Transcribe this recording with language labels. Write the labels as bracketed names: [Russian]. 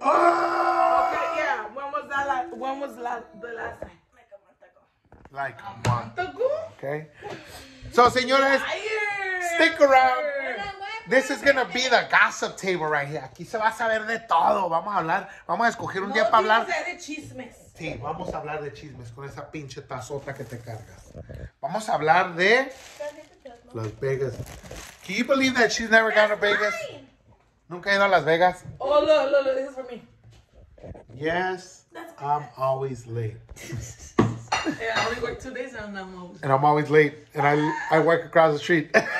[English] Oh! Okay, yeah. When was the last time? Like a month. Okay. So, [Spanish] señores, [English] stick around. This is going to be the gossip table right here. [Spanish] Aquí se va a saber de todo. Vamos a hablar. Vamos a escoger un día para hablar. Vamos a hablar de chismes. Sí, vamos a hablar de chismes con esa pinche tazota que te cargas. Vamos a hablar de Las Vegas. [English] Can you believe that she's never gone to Vegas? [Spanish] Nunca he ido a Las Vegas. [English] Oh, look, this is for me. Yes, I'm always late. Yeah, I only work 2 days and I'm always late. And I'm always late. And I work across the street.